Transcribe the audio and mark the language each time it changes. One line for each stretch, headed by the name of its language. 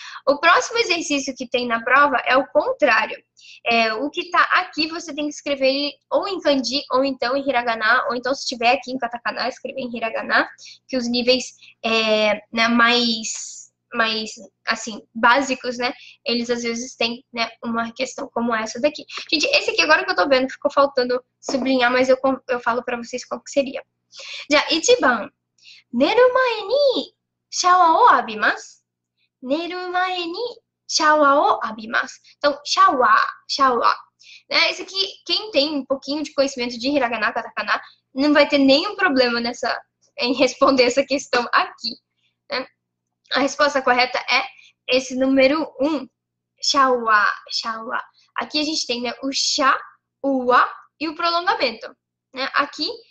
Portuguese: O próximo exercício que tem na prova é o contrário. O que está aqui, você tem que escrever ou em kanji, ou então em hiragana, ou então se estiver aqui em katakana, escrever em hiragana, que os níveis né, mais assim, básicos, né? Eles às vezes têm, né, uma questão como essa daqui. Gente, esse aqui, agora que eu estou vendo, ficou faltando sublinhar, mas eu falo para vocês qual que seria.
Japanese: じゃあ 1番、寝る前にシャワーを浴びます。寝る前にシャワーを浴びます。Então、シャワー、シャワー。
Portuguese: Esse aqui, quem tem um pouquinho de conhecimento de hiragana, katakana, não vai ter nenhum problema em responder essa questão aqui, né? A resposta correta é esse número 1, シャワー、シャワー。 Aqui a gente tem, né, o シャ、ウア e o prolongamento, né? Aqui